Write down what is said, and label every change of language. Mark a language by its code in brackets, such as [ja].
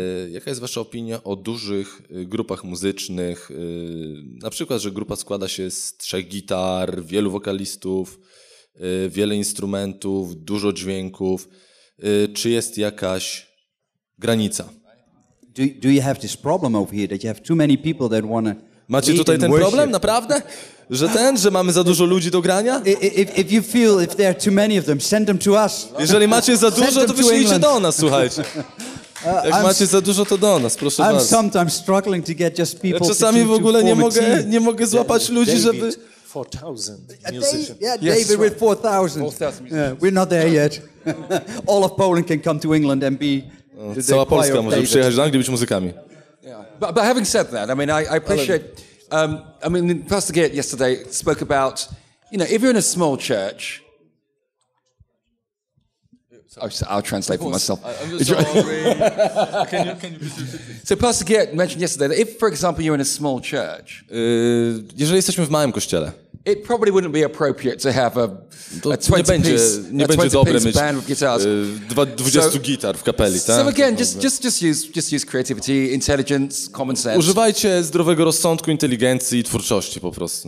[pl] Jaka jest wasza opinia o dużych grupach muzycznych? Na przykład, że grupa składa się z trzech gitar, wielu wokalistów, wiele instrumentów, dużo dźwięków. Czy jest jakaś granica? [en] Do you have this problem over here that you have too many people that want to... [pl] Macie tutaj ten problem, naprawdę? Że ten, że mamy za dużo ludzi do grania? [en] If you feel if there are too many of them, send them to us. [pl] Jeżeli macie za dużo, to wyślijcie do nas, słuchajcie. Jak macie za dużo, to do nas, proszę [en] I'm [pl] was. [en] I'm sometimes struggling to get just people. [pl] Ja czasami w ogóle nie mogę złapać ludzi, żeby [en] 4000 musicians. Yeah, David with 4000. Yeah, we're not there yet. All of Poland can come to England and be [pl] cała Polska może przyjechać do Anglii być muzykami. [en] Yeah. But having said that, I mean, I appreciate. I mean, Pastor Geert yesterday spoke about, you know, if you're in a small church. I'll translate for myself. I'm sorry. can you so Pastor Geert mentioned yesterday that if, for example, you're in a small church. [pl] Jeżeli jesteśmy w małym kościele. [en] It probably wouldn't be appropriate to have a 20-piece band with guitars. [pl] 20 gitar w kapeli, tak? [en] So again, just use creativity, intelligence, common sense. [pl] Używajcie zdrowego rozsądku, inteligencji i twórczości po prostu.